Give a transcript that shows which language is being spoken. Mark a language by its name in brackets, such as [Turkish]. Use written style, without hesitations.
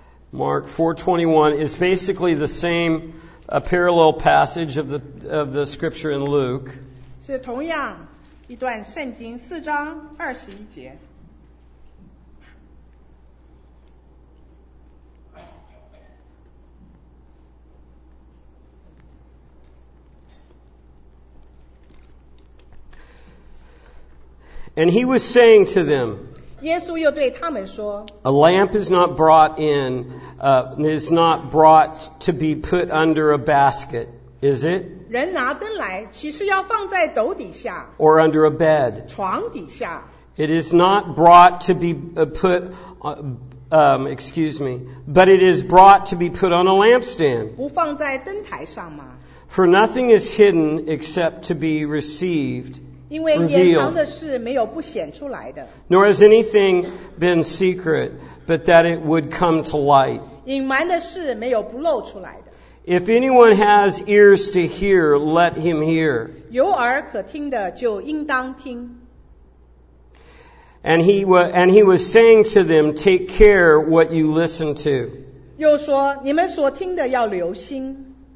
[English] Mark 4:21 is basically the same parallel passage of the scripture in Luke. [Chinese] 是同样一段圣经四章二十一节。 [English] And he was saying to them, [Chinese] 耶稣又对他们说, [English] A lamp is not brought in, is not brought to be put under a basket, is it? [Chinese] 人拿灯来,其实要放在斗底下, [English] or under a bed. [Chinese] 床底下。 [English] It is not brought to be put, but it is brought to be put on a lampstand. [Chinese] 不放在灯台上吗? [English] For nothing is hidden except to be received. [Chinese] 因为掩藏的事没有不显出来的。 [English] Nor has anything been secret, but that it would come to light. [Chinese] 隐瞒的事没有不露出来的。 [English] If anyone has ears to hear, let him hear. [Chinese] 有耳可听的就应当听。 [English] And he was saying to them, take care what you listen to. [Chinese] 又说你们所听的要留心。